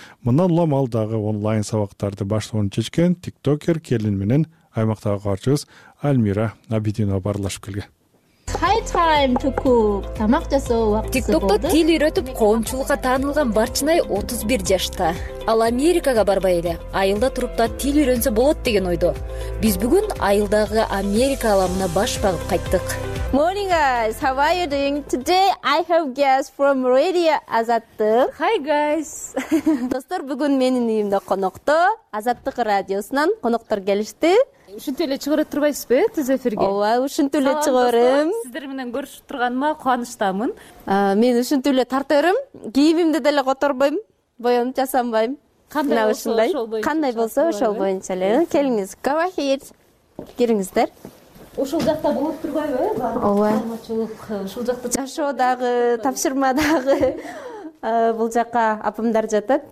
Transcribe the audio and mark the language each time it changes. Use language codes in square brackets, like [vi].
[ky] Мындан улам ал дагы онлайн сабактарды баштоону чечкен TikToker келин менен аймактагы каарчыбыз Альмира Абидинова баарлашып келген. Тамак жасоо убактысы болду. TikTokто тил үйрөтүп коомчулукка таанылган Барчынай 31 жашта. Ал Америкага барбай эле айылда туруп да тил үйрөнсө болот деген ойдо. Биз бүгүн айылдагы Америка аламына баш багып кайттык. [en] Morning guys, how are you doing? Today I have guests from Radio Azattık. Hi guys. [ky] Достор, бүгүн менин үйүмдө конокто, Азаттык радиосунан коноктор келишти. Ушинтип эле чыгарып турбайсызбы түз эфирге? Ооба, ушинтип эле чыгарым. Сиздер менен көрүшүп турганыма кубанычтамын. Мен ушинтип эле тарта берем. Кийимимди деле которбойм, боёнуп жасанбайм. Кандай болсо ошол боюнча. Кандай болсо ошол боюнча эле. Келиңиз. [en] Come here. [ky] Кириңиздер. Ошол жакта болуп турбайбы? Ооба. Ошол жакта жашоодагы, тапшырмадагы бул жакка апамдар жатат.